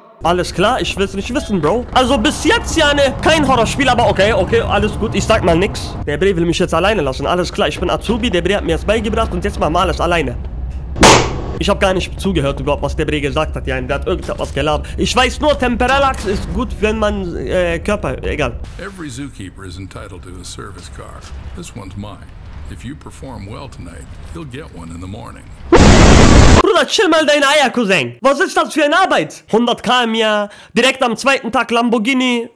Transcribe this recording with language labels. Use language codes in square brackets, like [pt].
[de] Alles klar, ich will's nicht wissen, Bro. Also bis jetzt, Jane, kein Horrorspiel, aber okay, alles gut. Ich sag mal nix. Der Bre will mich jetzt alleine lassen. Alles klar, ich bin Azubi, der Bre hat mir das beigebracht und jetzt machen wir alles alleine. Ich hab gar nicht zugehört überhaupt, was der Bre gesagt hat. Ja, der hat irgendwas gelabert. Ich weiß nur, Temperalax ist gut, wenn man Körper. Egal. [en] Every zookeeper is entitled to a service car. This one's mine. If you perform well tonight, you'll get one in the morning. [de] Bruder, chill mal deine Eier, Cousin. Was ist das für eine Arbeit? 100k im Jahr, direkt am zweiten Tag Lamborghini.